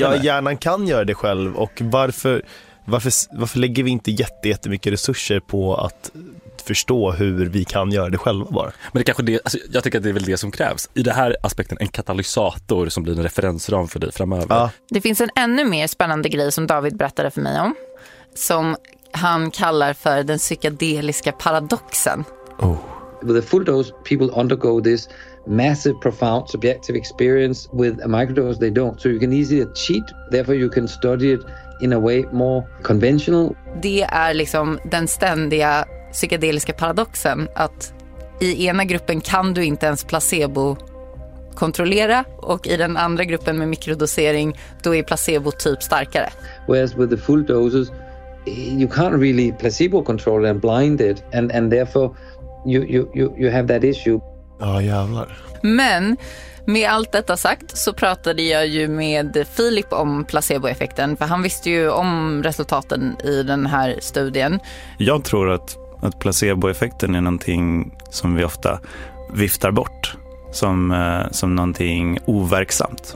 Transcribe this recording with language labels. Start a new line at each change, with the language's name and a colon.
Swedish: ja, hjärnan kan göra det själv. Och varför lägger vi inte jättemycket resurser på att förstå hur vi kan göra det själva bara? Men det kanske det, alltså, jag tycker att det är väl det som krävs. I det här aspekten, en katalysator som blir en referensram för dig framöver. Ja. Det finns en ännu mer spännande grej som David berättade för mig om. Som han kallar för den psykedeliska paradoxen. Oh.
English: With a full dose, people undergo this massive, profound, subjective experience. With a microdose, they don't. So you can easily cheat. Therefore, you can study it in a way more conventional.
Swedish: Det är liksom den ständiga psykedeliska paradoxen, att i ena gruppen kan du inte ens placebo kontrollera och i den andra gruppen med mikrodosering då är placebo typ starkare.
English: Whereas with the full doses you can't really placebo control and blinded and therefore you have that issue.
Swedish: Ja, jävlar. Men med allt detta sagt så pratade jag ju med Filip om placeboeffekten, för han visste ju om resultaten i den här studien. Jag tror att placeboeffekten är någonting som vi ofta viftar bort som någonting overksamt.